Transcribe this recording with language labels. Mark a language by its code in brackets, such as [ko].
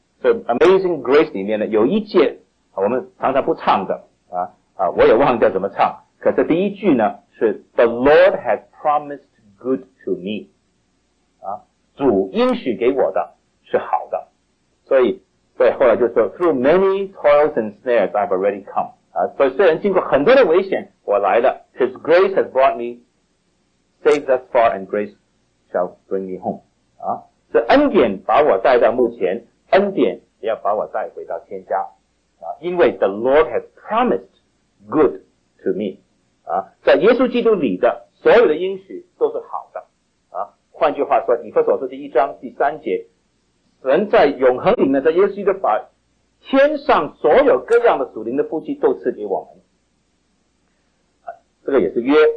[zh] 所以 Amazing Grace 里面呢有一节我们常常不唱的我也忘掉怎么唱，可是第一句呢是 [en] The Lord has promisedGood to me， [zh] 主应许给我的是好的，所以后来就说 [en] Through many toils and snares I've already come， [zh] 所以虽然经过很多的危险，我来了。 [en] His grace has brought me safe thus far, and grace shall bring me home。 [zh] 是恩典把我带到目前，恩典也要把我带回到天家。因为 [en] The Lord has promised good to me， [zh] 在耶稣基督里的。所有的应许都是好的换句话说，以弗所书第一章第三节，神在永恒里面，在耶稣基督把天上所有各样的属灵的福气都赐给我们这个也是约。